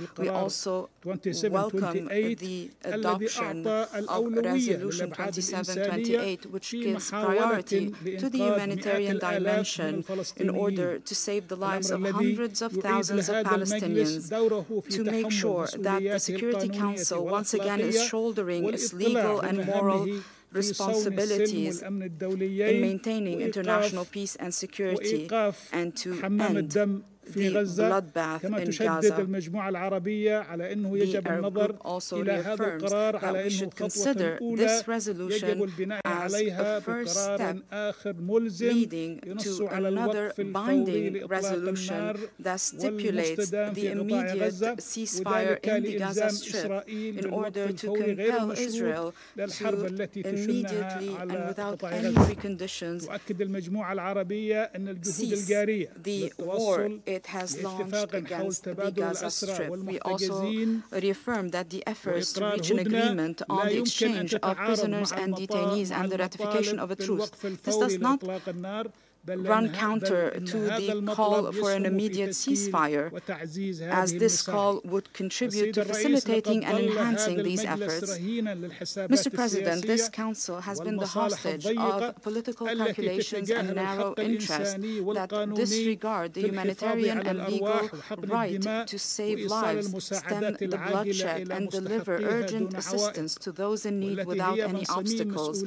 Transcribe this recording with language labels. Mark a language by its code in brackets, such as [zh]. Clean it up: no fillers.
[en] We also welcome the adoption of Resolution 2728, which gives priority to the humanitarian dimension in order to save the lives of hundreds of thousands of Palestinians, to make sure that the Security Council once again is shouldering its legal and moral responsibilities in maintaining international peace and security, and to end [ar] في غزة كما تشدد المجموعة العربية على أنه يجب النظر إلى هذا القرار على أنه خطوة أولى يجب البناء عليها بقرار آخر ملزم ينص على الوقف الفوري لإطلاق النار والمستدام في قطاع غزة وذلك لإلزام إسرائيل بالوقف الفوري غير مشروع للحرب التي تشنها على قطاع غزة. تؤكد المجموعة العربية أن الجهود الجارية للتوصل لاتفاق حول تبادل الأسرى والمحتجزين وإقرار هدنة لا يمكن أن تتعارض مع المطالب [en] and the ratification of a truce. This does not run counter to the call for an immediate ceasefire, as this call would contribute to facilitating and enhancing these efforts. Mr. President, this Council has been the hostage of political calculations and narrow interests that disregard the humanitarian and legal right to save lives, stem the bloodshed, and deliver urgent assistance to those in need without any obstacles.